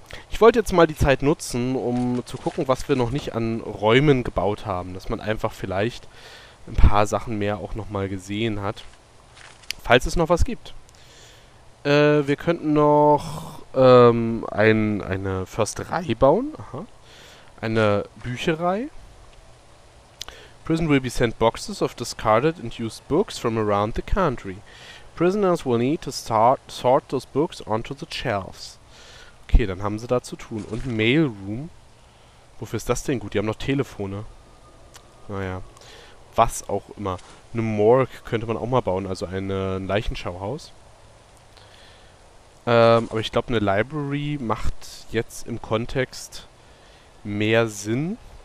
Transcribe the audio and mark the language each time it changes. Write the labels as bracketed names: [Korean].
[German] Ich wollte jetzt mal die Zeit nutzen, um zu gucken, was wir noch nicht an Räumen gebaut haben, dass man einfach vielleicht ein paar Sachen mehr auch nochmal gesehen hat. Falls es noch was gibt. Wir könnten noch eine Försterei bauen. Aha. Eine Bücherei. [English] Prison will be sent boxes of discarded and used books from around the country. Prisoners will need to sort those books onto the shelves. [German] Okay, dann haben sie da zu tun. Und Mailroom. Wofür ist das denn gut? Die haben noch Telefone. Naja. Was auch immer. Eine Morgue könnte man auch mal bauen, also ein Leichenschauhaus. Aber ich glaube, eine Library macht jetzt im Kontext mehr Sinn.